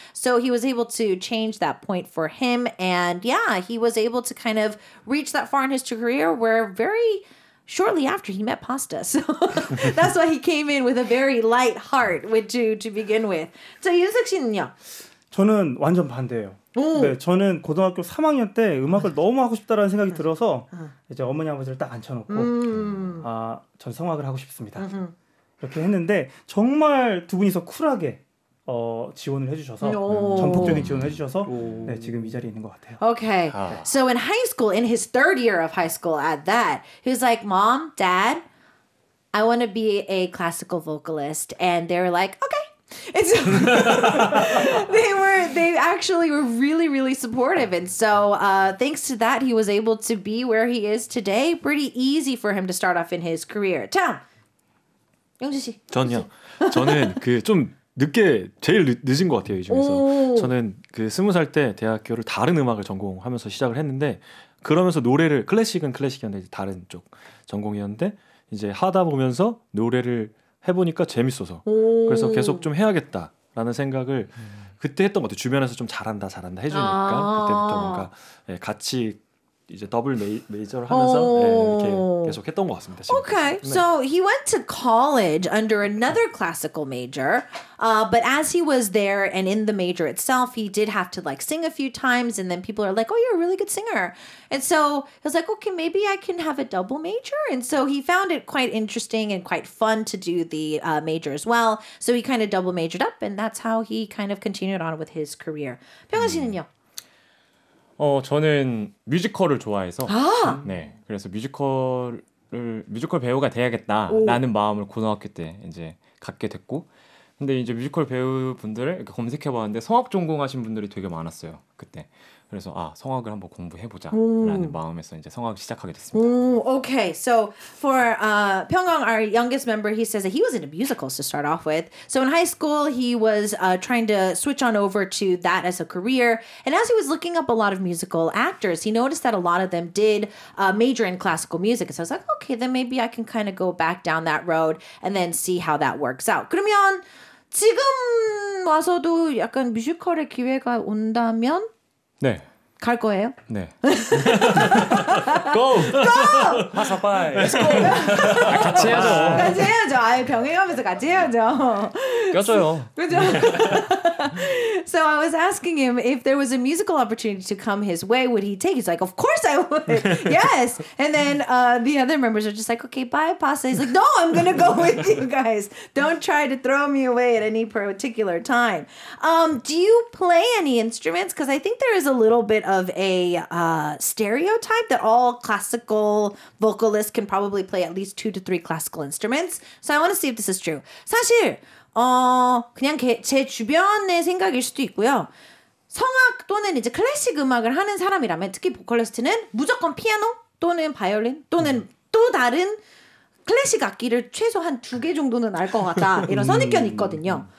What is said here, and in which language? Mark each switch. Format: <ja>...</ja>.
<en>So he was able to change that point for him, and yeah, he was able to kind of reach that far in his career where very shortly after he met Pasta. So that's why he came in with a very light heart to begin with.</en> <ko>So 윤석 씨는요? 저는 완전 반대예요. 네, 저는 고등학교 3학년 때 음악을 너무 하고 싶다라는 생각이 들어서 이제 어머니 아버지를 딱 앉혀놓고 아, 전 성악을 하고 싶습니다. 이렇게 했는데 정말 두 분이서 쿨하게 지원을 해주셔서 전폭적인 지원을 해주셔서 네, 지금 이 자리에 있는 것 같아요.</ko> <en>Okay, so in high school, in his third year of high school at that, he was like, Mom, Dad, I want to be a classical vocalist. And they were like, okay. And so they actually were really, really supportive. And so thanks to that, he was able to be where he is today. Pretty easy for him to start off in his career.</en> <ko>다음, 용주 씨. 전요. 저는 그 좀 늦게, 제일 늦은 것 같아요, 이 중에서. 저는 그 20살 때 대학교를 다른 음악을 전공하면서 시작을 했는데 그러면서 노래를, 클래식은 클래식이었는데 다른 쪽 전공이었는데 이제 하다 보면서 노래를 해보니까 재밌어서 그래서 계속 좀 해야겠다라는 생각을 그때 했던 것 같아요. 주변에서 좀 잘한다 해주니까 그때부터 뭔가 예, 같이 이제 더블 메이저를 하면서 예, 이렇게 계속 했던 것 같습니다.</ko> <en>오케이. Okay. So he went to college under another classical major. But as he was there and in the major itself, he did have to like sing a few times, and then people are like, oh, you're a really good singer. And so he was like, okay, maybe I can have a double major. And so he found it quite interesting and quite fun to do the major as well. So he kind of double majored up, and that's how he kind of continued on with his career.</en> <ko>병원 씨는요? 저는 뮤지컬을 좋아해서 아! 네, 그래서 뮤지컬 배우가 돼야겠다라는 마음을 고등학교 때 이제 갖게 됐고, 근데 이제 뮤지컬 배우분들을 이렇게 검색해봤는데 성악 전공하신 분들이 되게 많았어요 그때. 그래서 아, 성악을 한번 공부해보자 라는 마음에서 이제 성악을 시작하게 됐습니다.</ko> <en>Okay, so for Pyeonghang, our youngest member, he says that he was into musicals to start off with. So in high school, he was trying to switch on over to that as a career. And as he was looking up a lot of musical actors, he noticed that a lot of them did major in classical music. So I was like, okay, then maybe I can kind of go back down that road and then see how that works out.</en> <ko>그러면 지금 와서도 약간 뮤지컬의 기회가 온다면 네. 갈 거예요? 네.</ko> <en>Go! Go!</en> <ko>파사파이!</ko> <en>Let's go!</en> <ko>같이 해야죠. 같이 해야죠. 아예 병행하면서 같이 해야죠. 껴줘요. 그죠?</ko> <en>So I was asking him if there was a musical opportunity to come his way, would he take? He's like, of course I would. Yes. And then the other members are just like, okay, bye, Pasta. He's like, no, I'm going to go with you guys. Don't try to throw me away at any particular time. Do you play any instruments? Because I think there is a little bit of a stereotype that all classical vocalists can probably play at least 2 to 3 classical instruments. So I want to see if this is true.</en> <ko>사실 그냥 제 주변의 생각일 수도 있고요. 성악 또는 이제 클래식 음악을 하는 사람이라면 특히 보컬리스트는 무조건 피아노 또는 바이올린 또는 또 다른 클래식 악기를 최소 한 두 개 정도는 알 것 같다 이런 선입견이 있거든요.</ko>